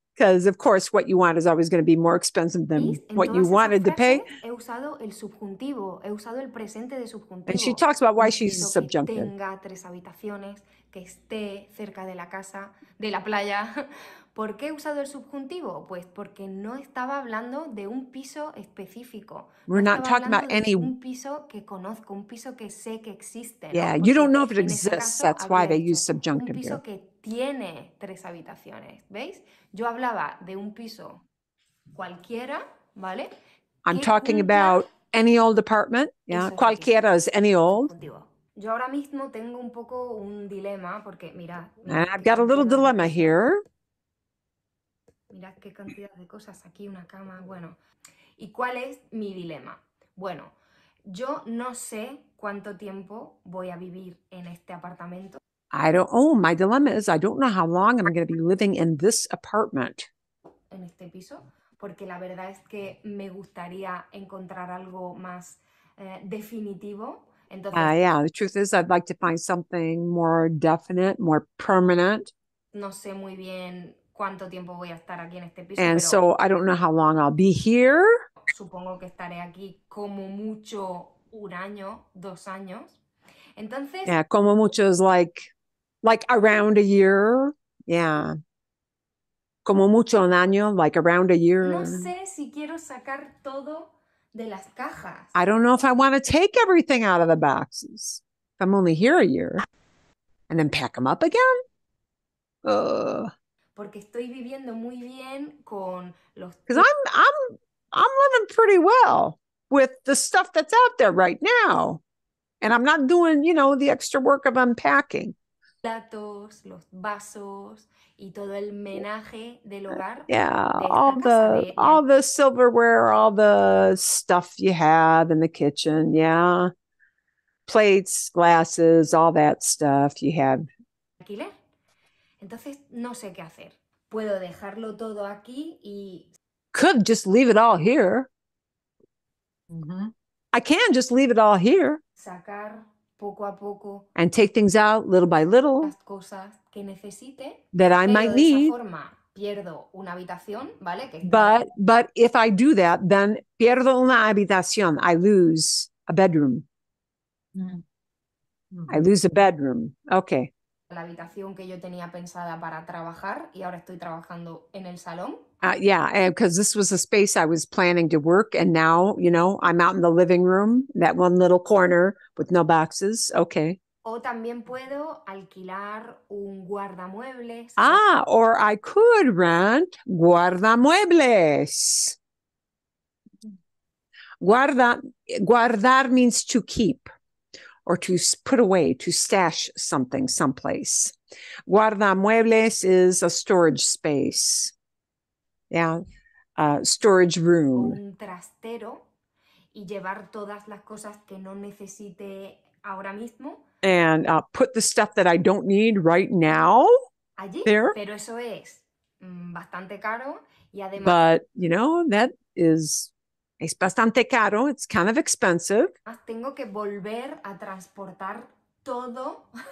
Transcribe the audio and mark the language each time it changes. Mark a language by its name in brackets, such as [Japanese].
[English] Because, of course, what you want is always going to be more expensive than what you wanted to pay. [Spanish] He usado el subjuntivo. He usado el presente de subjuntivo. [English] And she talks about why she's a subjunctive. [Spanish] Que tenga tres habitaciones, que esté cerca de la casa, de la playa. ¿Por qué he usado el subjuntivo? Pues porque no estaba hablando de un piso específico. [English] We're not talking about any [Spanish] un piso que conozco, un piso que sé que existe. [English] Yeah, [Spanish] ¿no? [English] You don't know if it exists. That's why they use subjunctive here. [Spanish] Un piso que tiene tres habitaciones, ¿veis? Yo hablaba de un piso cualquiera, ¿vale? [English] I'm talking about any old apartment. Yeah, [Spanish] es [English] cualquiera is any old. [Spanish] Yo ahora mismo tengo un poco un dilema porque mira [English] I've got a little dilemma here. [Spanish] Mirad qué cantidad de cosas aquí, una cama. Bueno, ¿y cuál es mi dilema? Bueno, yo no sé cuánto tiempo voy a vivir en este apartamento. [English] My dilemma is I don't know how long I'm going to be living in this apartment. [Spanish] En este piso, porque la verdad es que me gustaría encontrar algo más definitivo. Entonces, [English] The truth is I'd like to find something more definite, more permanent. [Spanish] No sé muy bien cuánto tiempo voy a estar aquí en este piso. [English] And so I don't know how long I'll be here. [Spanish] Supongo que estaré aquí como mucho un año, dos años. Entonces, [English] yeah, [Spanish] como mucho [English] es like around a year. Yeah. [Spanish] Como mucho un año, [English] like around a year. [Spanish] No sé si quiero sacar todo de las cajas. [English] I don't know if I want to take everything out of the boxes. If I'm only here a year. And then pack them up again. [Spanish] Porque estoy viviendo muy bien con los... [English] Because I'm living pretty well with the stuff that's out there right now. And I'm not doing, you know, the extra work of unpacking. [Spanish] Platos, los vasos, y todo el menaje del hogar. [English] Yeah, all the silverware, all the stuff you have in the kitchen, yeah. Plates, glasses, all that stuff you have. [Spanish] ¿Alquiler? Entonces, no sé qué hacer. Puedo dejarlo todo aquí y... [English] Could just leave it all here. Mm-hmm. I can just leave it all here. [Spanish] Sacar poco a poco. [English] And take things out little by little. [Spanish] Las cosas que necesite. [English] That I might need. [Spanish] De esa forma, pierdo una habitación, ¿vale? Que [English] but if I do that, then [Spanish] pierdo una habitación. [English] I lose a bedroom. Mm-hmm. I lose a bedroom. Okay. [Spanish] La habitación que yo tenía pensada para trabajar y ahora estoy trabajando en el salón. [English] Because this was a space I was planning to work, and now, you know, I'm out in the living room, that one little corner with no boxes. Okay. [Spanish] O también puedo alquilar un guardamuebles. [English] Or I could rent guardamuebles. Guardar means to keep or to put away, to stash something someplace. Guardamuebles is a storage space. Yeah, storage room. [Spanish] Un trastero y llevar todas las cosas que no necesite ahora mismo. [English] And put the stuff that I don't need right now [Spanish] allí, [English] there. [Spanish] Pero eso es bastante caro y además... [English] But, you know, that is [Spanish] bastante caro. [English] It's kind of expensive. [Spanish] Tengo que volver a transportar todo.